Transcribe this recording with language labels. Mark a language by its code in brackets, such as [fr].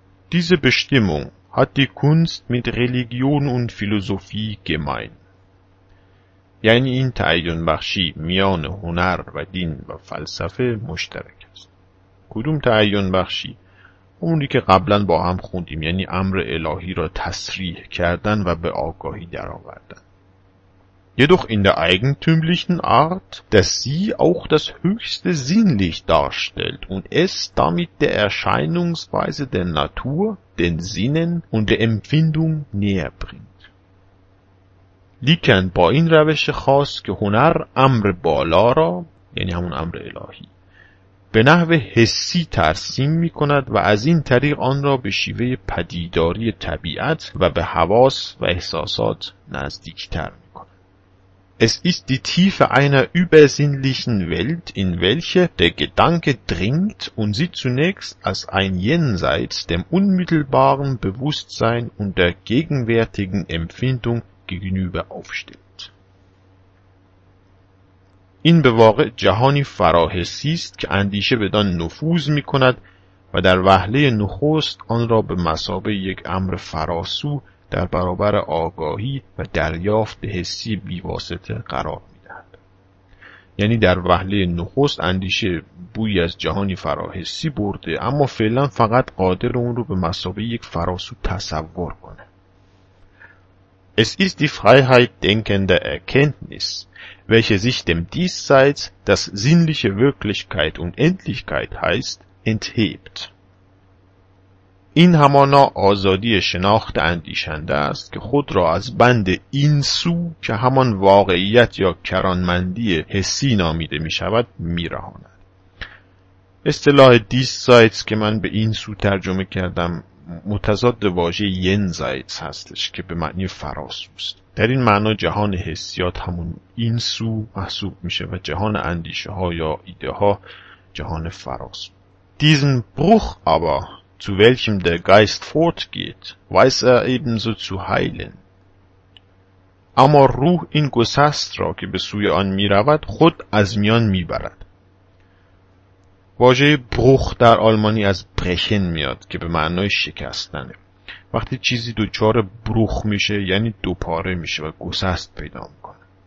[de] دیزه بشتیمون هات دی کنست میت ریلیگیون اون فیلوزوفی گمین، [fa] یعنی این تعین بخشی میان هنر و دین و فلسفه مشترک است. کدوم تعین بخشی؟ اونی که قبلا با هم خوندیم، یعنی امر الهی را تصریح کردن و به آگاهی درآوردن. [de] Jedoch in der eigentümlichen Art, dass sie auch das höchste Sinnlicht darstellt und es damit der Erscheinungsweise der Natur, den Sinnen und der Empfindung näher bringt. [fa] لیکن با این روش خاص که هنر امر بالا را، یعنی همون امر الهی، به نحو حسی ترسیم می کند و از این طریق آن را به شیوه پدیداری طبیعت و به حواس و احساسات نزدیکتر می کند. [de] Es ist die Tiefe einer übersinnlichen Welt, in welche der Gedanke dringt und sie zunächst als ein Jenseits dem unmittelbaren Bewusstsein und der gegenwärtigen Empfindung gegenüber aufstellt. [fa] این به واقع جهانی فراحسی است که اندیشه بدان نفوذ می کند و در وهله نخست آن را به مثابه یک امر فراسو در برابر آگاهی و دریافت حسی بیواسطه قرار می دهد. یعنی در وهله نخست اندیشه بویی از جهانی فراحسی برده، اما فعلا فقط قادر اون رو به مثابه یک فراسو تصور کنه. [de] Es ist die Freiheit denkender Erkenntnis, welche sich dem Diesseits, das sinnliche Wirklichkeit und Endlichkeit heißt, enthebt. [fa] این همانا آزادی شناخت اندیشنده است که خود را از بند این سو که همان واقعیت یا کرانمندی حسی نامیده می شود می رهاند. اصطلاح دیسایتس که من به این سو ترجمه کردم متضاد واژه ینزایتس هستش که به معنی فراسو است. در این معنا جهان حسیات همون این سو محسوب می شود و جهان اندیشه ها یا ایده ها جهان فراسو. [de] Diesen Bruch aber, zu welchem der Geist fortgeht, weiß ebenso zu heilen. [fa] اما روح این گسست را که به سوی آن می رود خود از میان می برد. واژه بروخ در آلمانی از برشن میاد که به معنای شکستنه. وقتی چیزی دوچار بروخ میشه یعنی دوپاره میشه و گسست پیدا میکنه.